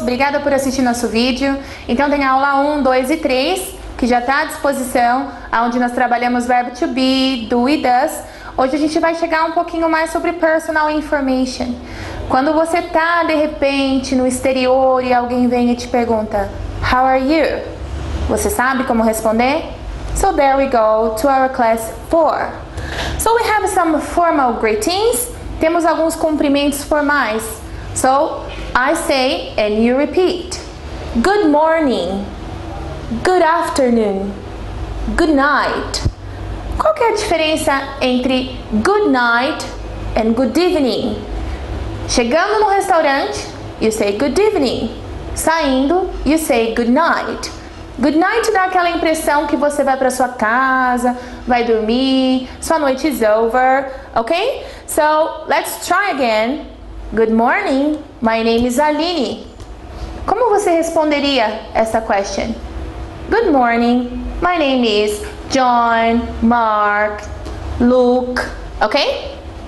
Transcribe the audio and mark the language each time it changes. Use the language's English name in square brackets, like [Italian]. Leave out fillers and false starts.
[Portuguese] Obrigada por assistir nosso vídeo. Então tem a aula 1, 2 e 3, que já está à disposição, onde nós trabalhamos verbo to be, do e does. Hoje a gente vai chegar um pouquinho mais sobre [English] personal information. [Portuguese] Quando você está, de repente, no exterior e alguém vem e te pergunta, [English] how are you? [Portuguese] Você sabe como responder? [English] So there we go to our class 4. So we have some formal greetings. [Portuguese] Temos alguns cumprimentos formais. [English] So, I say and you repeat. Good morning. Good afternoon. Good night. [Portuguese] Qual que é a diferença entre [English] good night and good evening? [Portuguese] Chegando no restaurante, [English] you say good evening. [Portuguese] Saindo, [English] you say good night. Good night [Portuguese] dá aquela impressão que você vai para sua casa, vai dormir, sua noite [English] is over, [Portuguese] ok? [English] So, let's try again. Good morning, my name is Aline. [Portuguese] Como você responderia essa question? [English] Good morning, my name is John, Mark, Luke, ok?